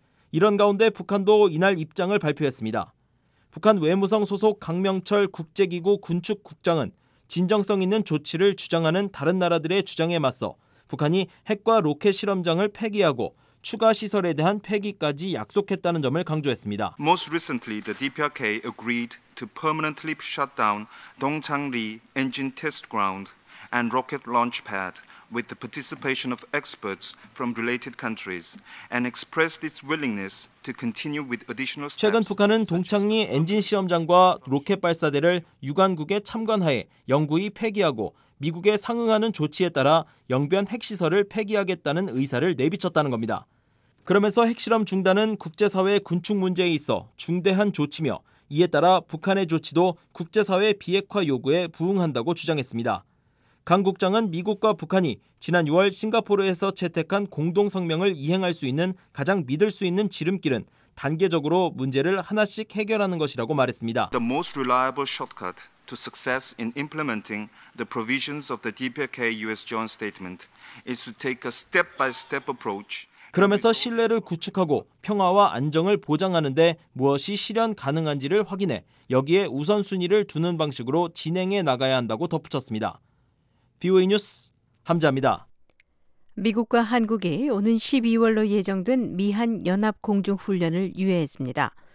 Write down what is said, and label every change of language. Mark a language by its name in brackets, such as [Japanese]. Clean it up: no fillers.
[Korean] 이런 가운데 북한도 이날 입장을 발표했습니다. 북한 외무성 소속 강명철 국제기구 군축국장은 진정성 있는 조치를 주장하는 다른 나라들의 주장에 맞서 북한이 핵과 로켓 실험장을 폐기하고 추가 시설에 대한 폐기까지 약속했다는 점을 강조했습니다. [English] Most recently, the DPRK agreed to permanently shut down Dongchang-ri engine test ground and rocket launch pad with the participation of experts from related countries and expressed its willingness to continue with additional steps. [Korean] 최근 북한은 동창리 엔진 시험장과 로켓 발사대를 유관국의 참관하에 영구히 폐기하고 미국에 상응하는 조치에 따라 영변 핵시설을 폐기하겠다는 의사를 내비쳤다는 겁니다. 그러면서 핵실험 중단은 국제사회 군축 문제에 있어 중대한 조치며 이에 따라 북한의 조치도 국제사회 비핵화 요구에 부응한다고 주장했습니다. 강 국장은 미국과 북한이 지난 6월 싱가포르에서 채택한 공동성명을 이행할 수 있는 가장 믿을 수 있는 지름길은 단계적으로 문제를 하나씩 해결하는 것이라고 말했습니다. [English] The most reliable shortcut to success in implementing the provisions of the DPRK US joint statement is to take a step-by-step approach. [Korean] 그러면서 신뢰를 구축하고 평화와 안정을 보장하는 데 무엇이 실현 가능한지를 확인해 여기에 우선순위를 두는 방식으로 진행해 나가야 한다고 덧붙였습니다. VOA 뉴스 함자입니다. 미국과 한국이 오는 12월로 예정된 미한 연합 공중 훈련을 유예했습니다.